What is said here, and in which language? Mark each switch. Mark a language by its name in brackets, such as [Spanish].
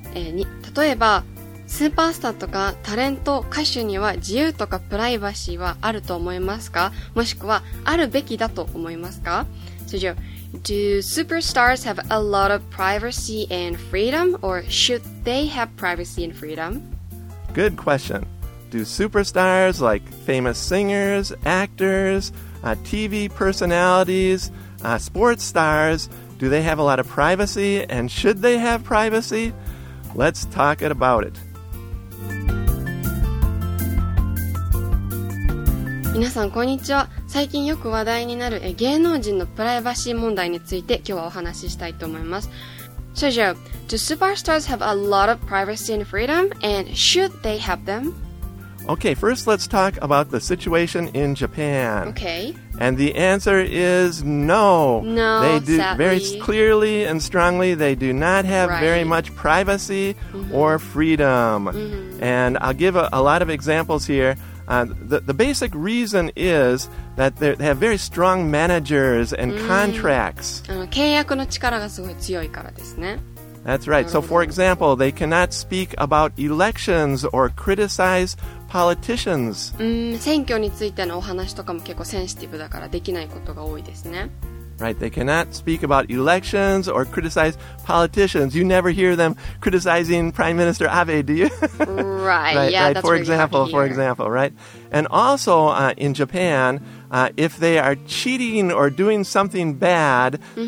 [Japanese] 例えば、スーパースターとかタレント、歌手には自由とかプライバシーはあると思いますか？もしくは、あるべきだと思いますか？ [English] So, Joe, do superstars have a lot of privacy and freedom, or should they have privacy and freedom? Good question. Do superstars like famous singers, actors, TV personalities, sports stars, do they have a lot of privacy and should they have privacy? Let's talk about it. [Japanese] 皆さんこんにちは。最近よく話題になる芸能人のプライバシー問題について今日はお話ししたいと思います。 [English] So Joe, do superstars have a lot of privacy and freedom and should they have them? Okay, first let's talk about the situation in Japan. Okay. And the answer is no. No, they do sadly. Very clearly and strongly, they do not have right. very much privacy mm-hmm. or freedom. Mm-hmm. And I'll give a lot of examples here. The basic reason is that they have very strong managers and contracts. [Japanese] 契約の力がすごい強いからですね。 [English] That's right. So, for example, they cannot speak about elections or criticize politicians. [Japanese] 選挙についてのお話とかも結構センシティブだからできないことが多いですね。 [English] Right, they cannot speak about elections or criticize politicians. You never hear them criticizing Prime Minister Abe, do you? right, yeah, that's for example, for example, right? And also, in Japan, if they are cheating or doing something bad, mm-hmm.